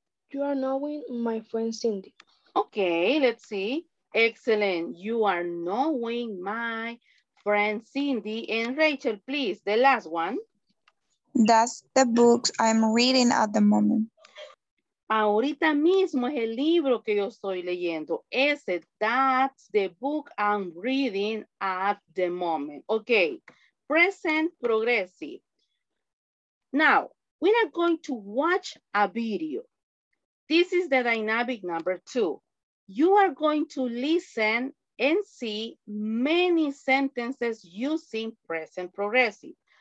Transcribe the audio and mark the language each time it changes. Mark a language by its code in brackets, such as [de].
[en] You are knowing my friend Cindy. Okay, let's see. Excellent. You are knowing my friend Cindy and Rachel, please. The last one. That's the books I'm reading at the moment. [es] Ahorita mismo es el libro que yo estoy leyendo. Ese, [en] that's the book I'm reading at the moment. Okay, present progressive. Now, we are going to watch a video. This is the dynamic number two. You are going to listen and see many sentences using present progressive.